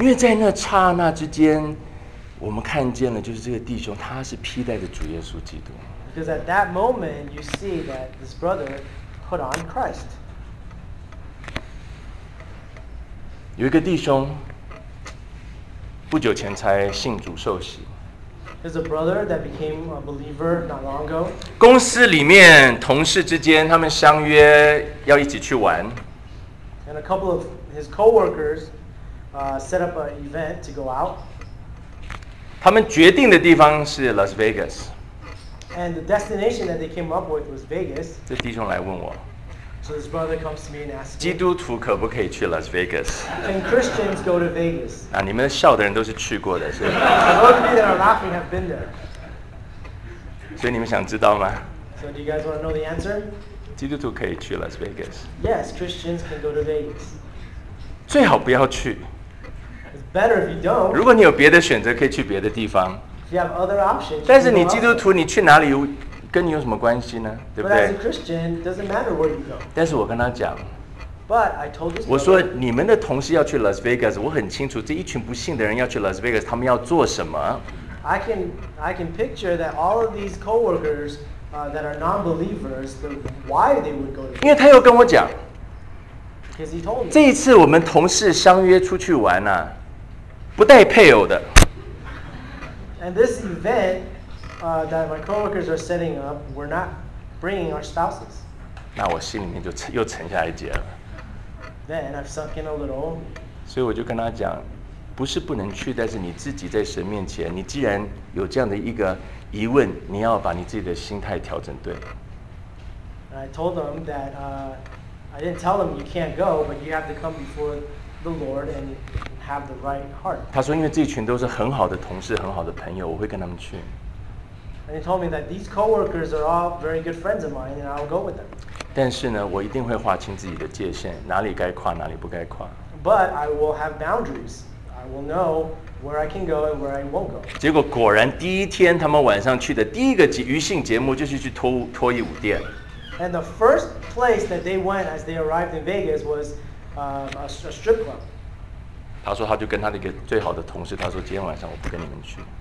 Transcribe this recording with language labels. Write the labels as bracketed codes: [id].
[zh] 因为在那刹那之间，我们看见了就是这个弟兄，他是披戴着主耶稣基督。 [en] Because at that moment, you see that this brother put on Christ. [zh] 有一个弟兄不久前才信主受洗。 [en] There's a brother that became a believer not long ago. [zh] 公司里面同事之间他们相约要一起去玩。 [en] And a couple of his coworkers, set up an event to go out. [zh] 他们决定的地方是 Las Vegas. [en] And the destination that they came up with was Vegas. [zh] 这弟兄来问我。 [en] So this brother comes to me and asks me, [zh] 基督徒可不可以去 Las Vegas? [en] Can Christians go to Vegas? [zh] 啊，你们笑的人都是去过的，是吧？ [en] Those of you that are laughing have been there. [zh] 所以你们想知道吗？ [en] So do you guys want to know the answer? [zh] 基督徒可以去 Las Vegas. [en] Yes, Christians can go to Vegas. [zh] 最好不要去。 [en] It's better if you don't. [zh] 如果你有别的选择，可以去别的地方。 [en] If you have other options. [zh] 但是你基督徒，你去哪里？跟你有什么关系呢？对不对？ [en] But as a Christian, it doesn't matter where you go. [zh] 但是我跟他讲， [en] But I told this [zh] 我说你们的同事要去 Las Vegas， 我很清楚这一群不信的人要去 Las Vegas， 他们要做什么。 [en] I can picture that all of these coworkers, that are non-believers, the why they would go to Vegas. [zh] 因为他又跟我讲， [en] Because he told me. [zh] 这一次我们同事相约出去玩啊，不带配偶的。 [en] And this event,that my coworkers are setting up, we're not bringing our spouses. [zh] 那我心里面就又沉下一截了。 [en] Then I've sunk in a little. [zh] 所以我就跟他讲，不是不能去，但是你自己在神面前，你既然有这样的一个疑问，你要把你自己的心态调整对。 [en] And I told them that, I didn't tell them you can't go, but you have to come before the Lord and have the right heart. [zh] 他说，因为这群都是很好的同事、很好的朋友，我会跟他们去。 [en] And he told me that these coworkers are all very good friends of mine, and I'll go with them. [zh] 但是呢，我一定会划清自己的界限，哪里该跨，哪里不该跨。 [en] But I will have boundaries. I will know where I can go and where I won't go. [zh] 结果果然第一天他们晚上去的第一个娱乐节目就是去脱衣舞店。 [en] And the first place that they went as they arrived in Vegas was, a strip club. [zh] 他说他就跟他的一个最好的同事，他说今天晚上我不跟你们去。